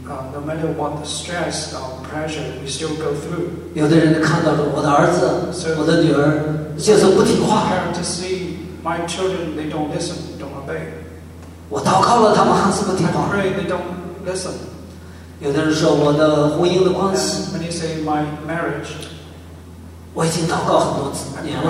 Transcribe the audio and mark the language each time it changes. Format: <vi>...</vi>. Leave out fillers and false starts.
<en>No matter what the stress or pressure, we still go through.</en> <zh>有的人看到了我的儿子、我的女儿，就是不听话。</zh> <en>Hard to see my children; they don't listen, don't obey.</en> <zh>我祷告了，他们还是不听话。</zh> <en>I pray they don't listen.</en> <zh>有的人说我的婚姻的关系。</zh> <en>When you say my marriage,</en> <zh>我已经祷告很多次年了。</zh>